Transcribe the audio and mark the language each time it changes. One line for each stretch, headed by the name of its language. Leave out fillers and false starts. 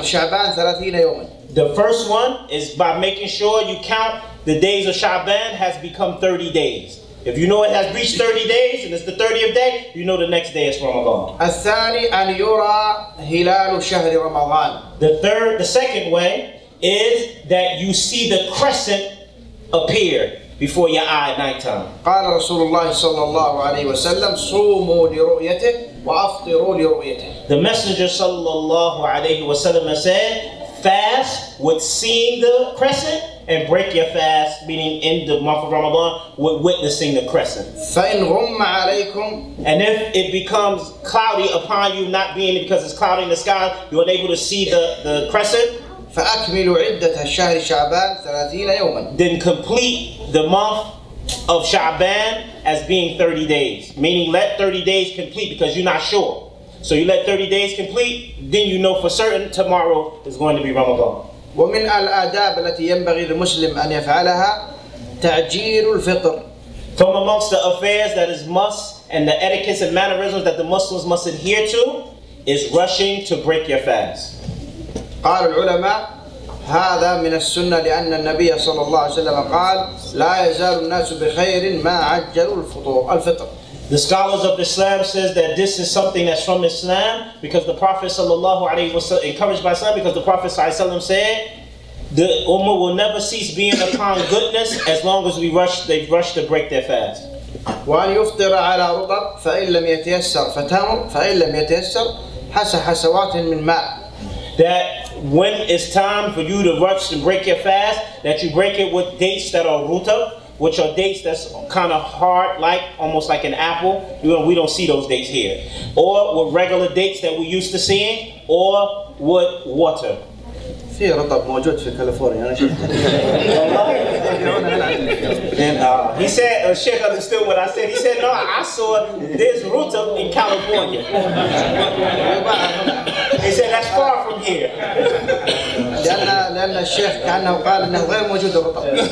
English: The first one is by making sure you count the days of Sha'ban has become 30 days. If you know it has reached 30 days and it's the 30th day, you know the next day is Ramadan.
Arabic: الثاني أن يرى هلال شهر رمضان.
English: The second way is that you see the crescent appear before your eye at nighttime.
Arabic: قال رسول الله صلى الله عليه وسلم صوموا لرؤيته وافطروا لرؤيته.
English: The Messenger
Arabic: صلى الله عليه وسلم
English: said, fast with seeing the crescent. And break your fast, meaning end the month of Ramadan, with witnessing the crescent.
Arabic: فإن غم عليكم
English: and if it becomes cloudy upon you, not being because it's cloudy in the sky, you are unable to see the crescent.
Arabic: فأكملوا عدة الشهر شعبان 30 يوما.
English: Then complete the month of Sha'ban as being 30 days, meaning let 30 days complete because you're not sure. So you let 30 days complete, then you know for certain tomorrow is going to be Ramadan.
Arabic: ومن الآداب التي ينبغي للمسلم أن يفعلها تعجيل الفطر.
English: From amongst the affairs that is must and the etiquettes and mannerisms that the Muslims must adhere to is rushing to break your fast.
Arabic: قال العلماء هذا من السنة لأن النبي صلى الله عليه وسلم قال لا يزال الناس بخير ما عجلوا الفطر.
English: The scholars of Islam says that this is something that's from Islam because the Prophet sallallahu alaihi wasallam encouraged by Islam because the Prophet sallallahu alaihi wasallam said the ummah will never cease being upon goodness as long as they rush to break their fast.
Arabic: وأن يفطر على رطب فإن لم يتيسر فتمر فإن لم يتيسر حس حسوات من ماء.
English: That when it's time for you to rush and break your fast, that you break it with dates that are rutab, which are dates that's kind of hard, like almost like an apple. We don't see those dates here. Or with regular dates that we used to see, or with water.
Arabic: في رطب موجود في كاليفورنيا انا شفته.
English: He said, Sheikh understood what I said. He said, no, I saw this rutab in California. He said, that's far from here.
Arabic: لأن الشيخ كأنه قال إنه غير موجود رطب.